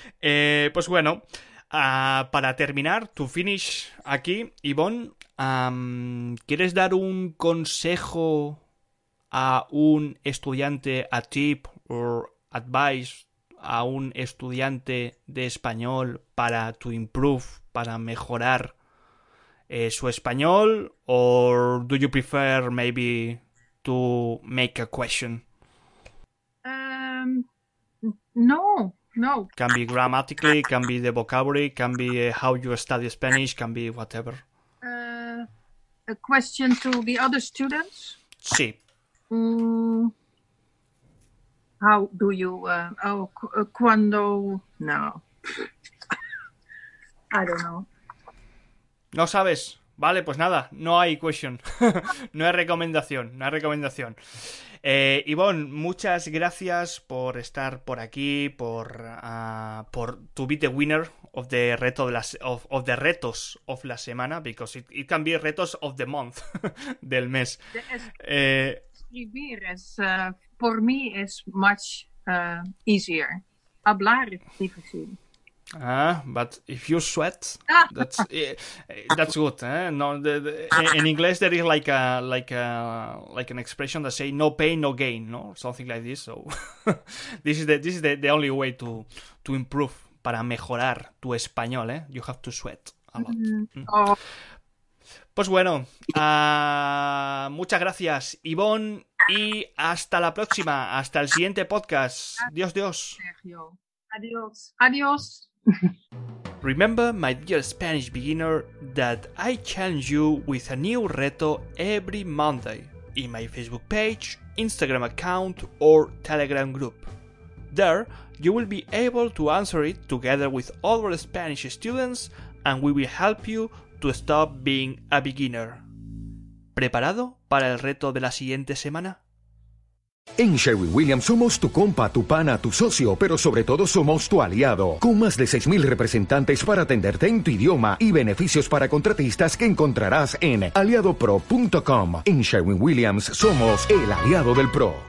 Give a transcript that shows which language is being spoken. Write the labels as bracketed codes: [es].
[es] Pues bueno, para terminar, [en] to finish [es] aquí, Ivonne, ¿quieres dar un consejo a un estudiante, [en] a tip or advice [es] a un estudiante de español para [en] to improve, [es] para mejorar su español? [en] Or do you prefer maybe to make a question? [es] No. [en] Can be grammatically, can be the vocabulary, can be how you study Spanish, can be whatever. A question to the other students? [es] Sí. [en] How do you [es] cuando no [en] I don't know. [es] No sabes. Vale, pues nada, no hay question. No hay recomendación. [en] Ivonne, [es] muchas gracias por estar por aquí, [en] por to be the winner of the reto de las of the retos of la semana, because it can be retos of the month [es] del mes. Escribir es por mí es [en] much easier. [es] Hablar es difícil. [en] Ah, but if you sweat, that's good. Eh? No, in English there is like an expression that say no pain, no gain, no, something like this. So this is the only way to improve, [es] para mejorar tu español. [en] Eh? You have to sweat a lot. [es] Pues bueno, muchas gracias, Ivonne, y hasta la próxima, hasta el siguiente podcast. Dios, Dios. Adiós, adiós. [en] Remember, my dear Spanish beginner, that I challenge you with a new reto every Monday in my Facebook page, Instagram account, or Telegram group. There, you will be able to answer it together with other Spanish students, and we will help you to stop being a beginner. [es] ¿Preparado para el reto de la siguiente semana? En Sherwin-Williams somos tu compa, tu pana, tu socio, pero sobre todo somos tu aliado. Con más de 6,000 representantes para atenderte en tu idioma y beneficios para contratistas que encontrarás en aliadopro.com. En Sherwin-Williams somos el aliado del pro.